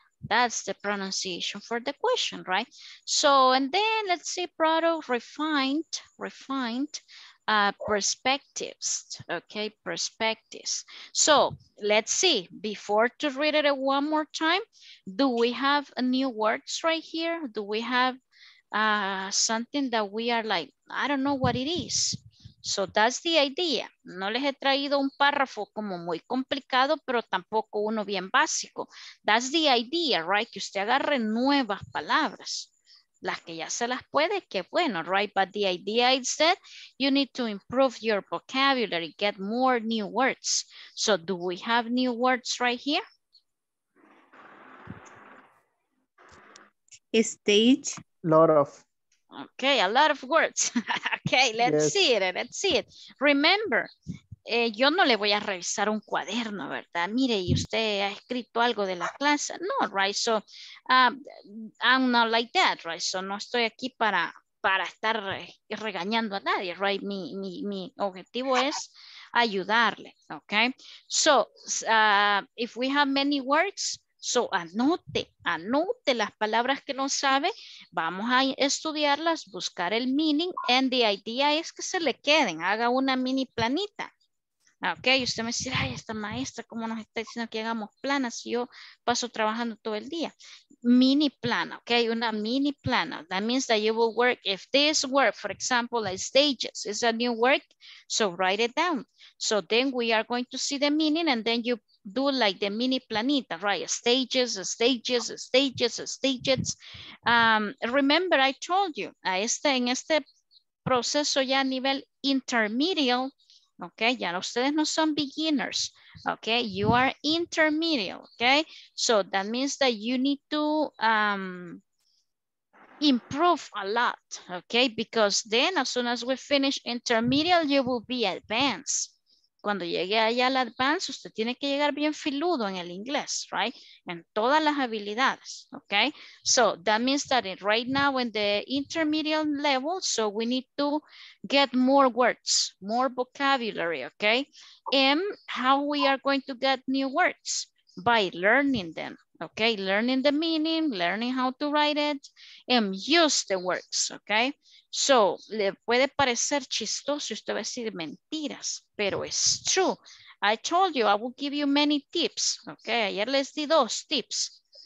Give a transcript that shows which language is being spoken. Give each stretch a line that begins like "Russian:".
English: That's the pronunciation for the question, right? So, and then let's see, product refined perspectives, okay, perspectives. So let's see, before to read it one more time, do we have new words right here? Do we have something that we are like, I don't know what it is. So that's the idea.
Spanish: No les he traído un párrafo como muy complicado, pero tampoco uno bien básico.
English: That's the idea, right?
Spanish: Que usted agarre nuevas palabras. Las que ya se las puede, qué bueno, right?
English: But the idea is that you need to improve your vocabulary, get more new words. So do we have new words right here? Stage. Lot of. Okay, a lot of words. Okay, let's see it.
Spanish: Remember, yo no le voy a revisar un cuaderno, ¿verdad? Mire, y usted ha escrito algo de la clase. No, right? So,
English: I'm not like that, right?
Spanish: So, no estoy aquí para estar regañando a nadie, right? Mi objetivo es ayudarle, okay?
English: So, if we have many words, so
Spanish: anote las palabras que no sabe, vamos a estudiarlas, buscar el meaning,
English: and the idea
Spanish: es que se le queden, haga una mini planita. Ok, usted me dice, ay, esta maestra, ¿cómo nos está diciendo que hagamos planas si yo paso trabajando todo el día? Mini plan, ok, una mini plana.
English: That means that you will work, if this work, for example, like stages, is a new work, so write it down. So then we are going to see the meaning and then you do like the mini planita, right? Stages, stages, stages, stages. Remember, I told you,
Spanish: a este, en este proceso ya a nivel intermedial, okay, ya ustedes no son beginners, okay?
English: You are intermedial, okay? So that means that you need to improve a lot, okay? Because then as soon as we finish intermedial, you will be advanced.
Spanish: Cuando llegue allá al advanced, usted tiene que llegar bien filudo en el inglés, right? En todas las habilidades, okay?
English: So that means that right now in the intermediate level, so we need to get more words, more vocabulary, okay? And how we are going to get new words? By learning them, okay? Learning the meaning, learning how to write it, and use the words, okay?
Spanish: So, le puede parecer chistoso, usted va a decir mentiras, pero es true.
English: I told you, I will give you many tips, okay?
Spanish: Ayer les di dos tips.